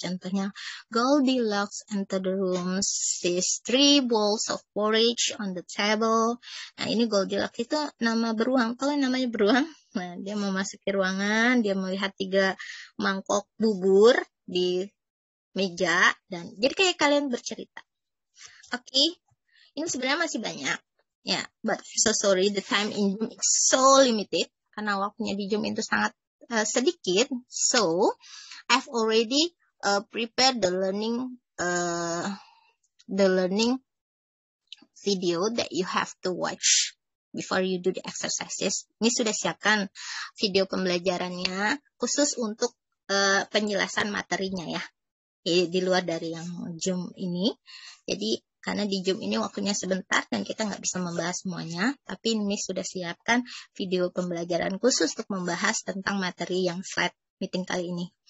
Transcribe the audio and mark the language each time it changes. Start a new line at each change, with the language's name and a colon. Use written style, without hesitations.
English: Contohnya, Goldilocks entered the room, sees three bowls of porridge on the table.
Indonesian: Nah, ini Goldilocks itu nama beruang. Kalau namanya beruang, nah, dia memasuki ruangan, dia melihat tiga mangkok bubur di meja, dan jadi kayak kalian bercerita. Okay. Ini sebenarnya masih banyak. Ya,
English: yeah, but so sorry, the time in Zoom is so limited,
Indonesian: karena waktunya di Zoom itu sangat sedikit.
English: So, I've already prepared the learning video that you have to watch before you do the exercises.
Indonesian: Ini sudah siapkan video pembelajarannya khusus untuk penjelasan materinya ya, di luar dari yang Zoom ini. Jadi karena di Zoom ini waktunya sebentar dan kita nggak bisa membahas semuanya. Tapi ini sudah siapkan video pembelajaran khusus untuk membahas tentang materi yang slide meeting kali ini.